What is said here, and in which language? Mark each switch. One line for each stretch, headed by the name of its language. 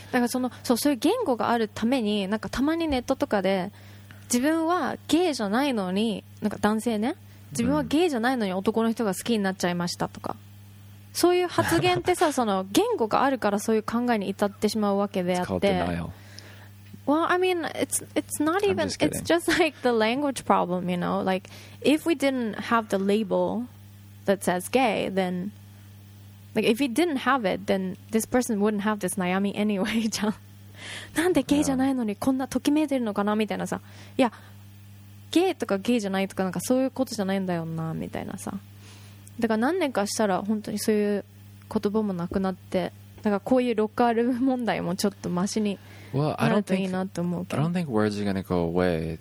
Japanese: だからそういう言語があるために、なんかたまにネットとかで、自分はゲイじゃないのに、なんか男性ね、自分はゲイじゃないのに男の人が好きになっちゃいましたとか。そういう発言ってさ、その言語があるからそういう考えに至ってしまうわけであって。
English: Well, I mean, it's not even, it's just like the language problem, you know? Like, if we didn't have the label that says gay, then, like, if we didn't have it, then this person wouldn't have this 悩み anyway,
Japanese: じゃん。なんでゲイじゃないのにこんなときめいてるのかなみたいなさ。いや、ゲイとかゲイじゃないとかなんかそういうことじゃないんだよな、みたいなさ。だから何年かしたら本当にそういう言葉もなくなって、だからこういうロッカールーム問題もちょっとマシに。
English: Well, I don't think words are going to go away.